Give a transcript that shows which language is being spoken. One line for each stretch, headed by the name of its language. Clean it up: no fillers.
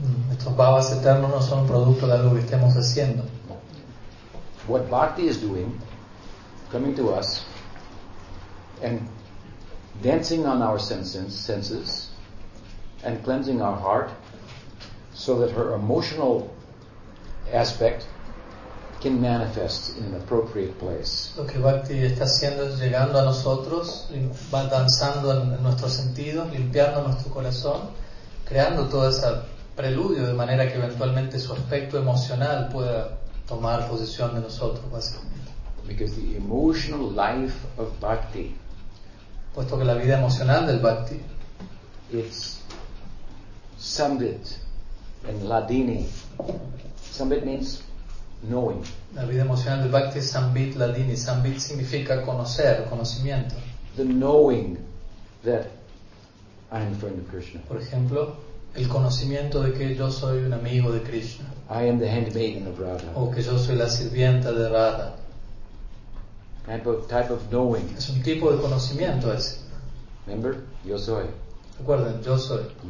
Spanish: Estos bhavas eternos no son producto de algo que estemos haciendo.
English: What Bhakti is doing, coming to us and dancing on our senses and cleansing our heart so that her emotional aspect can manifest in an appropriate place.
Spanish: Lo que Bhakti está haciendo es llegando a nosotros, va danzando en nuestros sentidos, limpiando nuestro corazón, creando todo ese preludio de manera que eventualmente su aspecto emocional pueda tomar posesión de nosotros, básicamente.
English: Because the emotional life of Bhakti,
Spanish: puesto que la vida emocional del Bhakti,
English: it's summed in Ladini, Sambit means knowing.
Spanish: La vida emocional del Bhakti es Sambit Ladini. Sambit significa conocer, conocimiento.
English: The knowing that I am a friend of Krishna.
Spanish: Por ejemplo, el conocimiento de que yo soy un amigo de Krishna.
English: I am the handmaiden of Radha.
Spanish: O que yo soy la sirvienta de Radha.
English: Type of knowing.
Spanish: Es un tipo de conocimiento ese.
English: Remember,
Spanish: yo soy. Recuerden, yo soy.